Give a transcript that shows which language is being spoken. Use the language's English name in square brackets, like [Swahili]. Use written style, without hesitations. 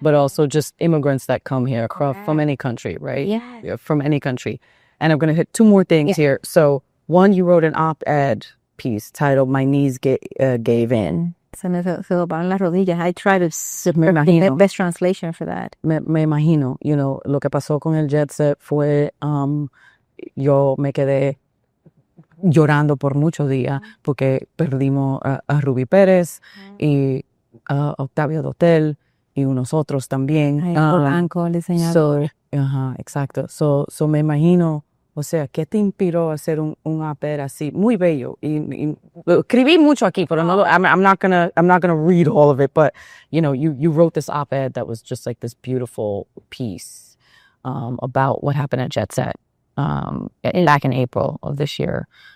[English] but also just immigrants that come here from any country, right? Yeah. From any country. And I'm going to hit two more things here. So one, you wrote an op-ed piece titled My Knees Gave In. I try to submit the best translation for that. [Spanish] Me imagino, [English] you know, [Spanish] lo que pasó con el jet set fue, yo me quedé llorando por muchos días porque perdimos a Ruby Pérez y a Octavio Dotel y unos otros también. Blanco, el diseñador. Exacto. So me imagino, o sea, ¿qué te inspiró a hacer un op-ed así? Muy bello. Y escribí mucho aquí, pero no, [English] I'm not gonna read all of it, but, you know, you wrote this op-ed that was just like this beautiful piece about what happened at Jet Set back in April of this year.